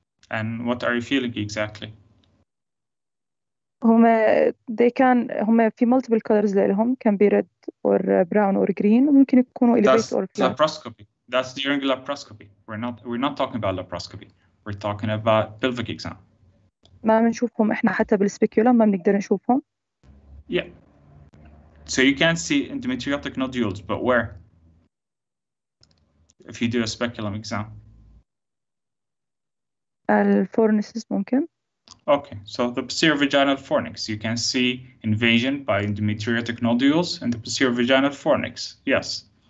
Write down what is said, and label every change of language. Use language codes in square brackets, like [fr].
[en] And what are you feeling exactly? They can [ar] هما في [en] multiple colors [ar] لهم [en] can be red or brown or green [ar] ممكن يكونوا [en] elevated or flat. Laparoscopy. That's during laparoscopy. We're not talking about laparoscopy. We're talking about pelvic exam. [ar] ما بنشوفهم إحنا حتى بالسبيكولوم ما بنقدر نشوفهم. [en] Yeah. So you can see endometriotic nodules, but where? If you do a speculum exam. [ar] الفورنيسس ممكن. [en] Okay, so the posterior vaginal fornix, you can see invasion by endometriotic nodules in the posterior vaginal fornix. Yes.